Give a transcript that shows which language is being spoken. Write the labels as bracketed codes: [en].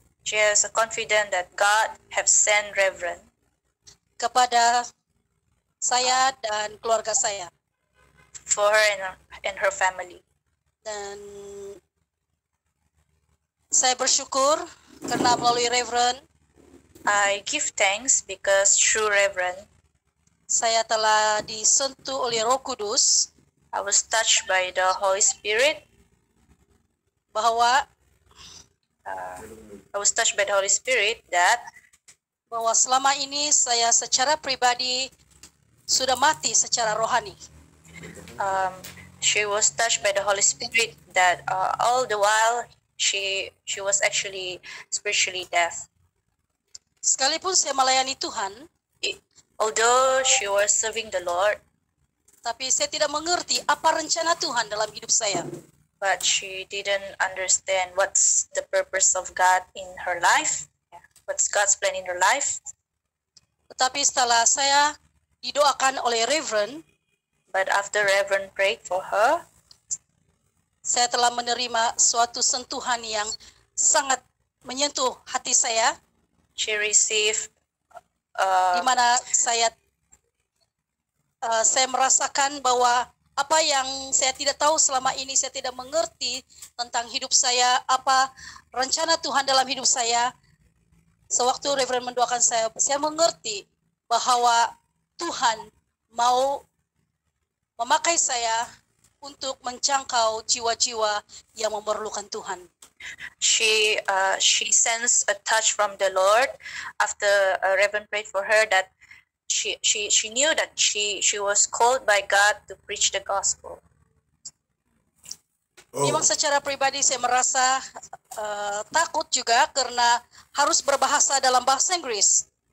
[en] She is confident that God have sent Reverend [ms] kepada saya dan keluarga saya. [en] For her and her family. [ms] Dan saya bersyukur karena melalui Reverend. [en] I give thanks because through Reverend. [ms] Saya telah disentuh oleh Roh Kudus. [en] I was touched by the Holy Spirit. [ms] Bahwa [en] I was touched by the Holy Spirit that [ms] bahwa selama ini saya secara pribadi sudah mati secara rohani. [en] She was touched by the Holy Spirit that all the while she was actually spiritually dead. [ms] Sekalipun saya melayani Tuhan, [en] although she was serving the Lord, [ms] tapi saya tidak mengerti apa rencana Tuhan dalam hidup saya. [en] But she didn't understand what's the purpose of God in her life. What's God's plan in her life? [ms] Tetapi setelah saya didoakan oleh Reverend, [en] but after Reverend prayed for her, [ms] saya telah menerima suatu sentuhan yang sangat menyentuh hati saya. [en] She received [ms] di mana saya merasakan bahwa apa yang saya tidak tahu selama ini, saya tidak mengerti tentang hidup saya, apa rencana Tuhan dalam hidup saya. Sewaktu Reverend mendoakan saya mengerti bahwa Tuhan mau memakai saya untuk menjangkau jiwa-jiwa yang memerlukan Tuhan. [en] She sense a touch from the Lord after Reverend prayed for her that She knew that she was called by God to preach the gospel. [ms] Memang secara pribadi saya merasa takut juga karena harus berbahasa dalam bahasa Inggris.